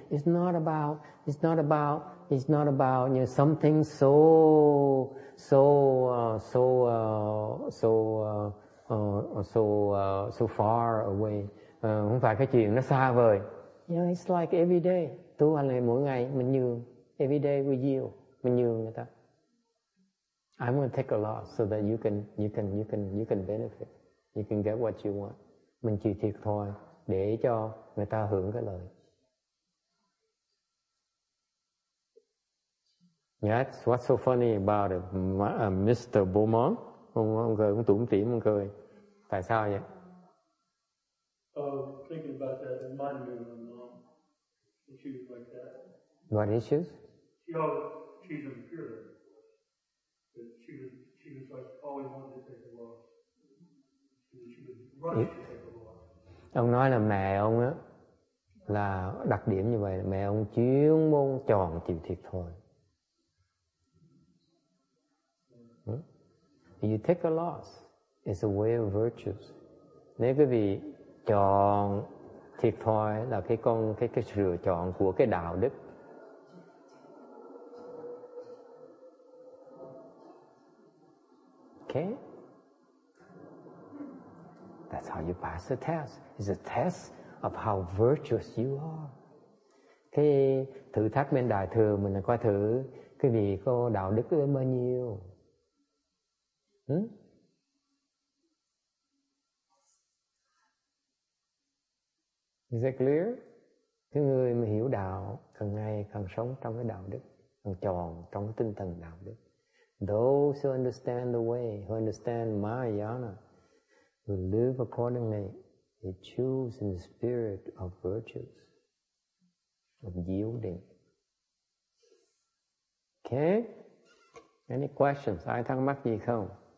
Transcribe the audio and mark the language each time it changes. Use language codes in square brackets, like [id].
[en] It's not about you know, something so far away. [vi] Không phải cái chuyện nó xa vời. [en] You know, it's like every day. [vi] Tu hành này mỗi ngày mình nhường. [en] Every day we yield. [vi] Mình nhường người ta. [en] I'm going to take a loss so that you can benefit. You can get what you want. [vi] Mình chịu thiệt thôi để cho người ta hưởng cái lời. [en] That's what's so funny about it. Mr. Beaumont. [vi] Ông cười, ông tủm tỉm, ông cười. Tại sao vậy? [en] Thinking about that, reminded me of my mom. She was like that. What issues? She's a pure. She was like, always wanted to take a loss. She was rushed to take a loss. [vi] Ông nói là mẹ ông á, là đặc điểm như vậy, mẹ ông chuyên môn tròn chịu thiệt thôi. [en] You take a loss. It's a way of virtues. [vi] Nếu quý vị chọn thiệt thòi là cái sự lựa chọn của cái đạo đức. [en] Okay. That's how you pass the test. It's a test of how virtuous you are. [vi] Cái thử thách bên đại thừa mình là coi thử quý vị có đạo đức đến bao nhiêu. [en] Is that clear? [vi] Cái người mà hiểu đạo càng ngày càng sống trong cái đạo đức, càng tròn trong cái tinh thần đạo đức. [en] Those who understand the way, who understand Mahayana, who live accordingly, they choose in the spirit of virtues, of yielding. Okay? Any questions? [vi] Ai thắc mắc gì không?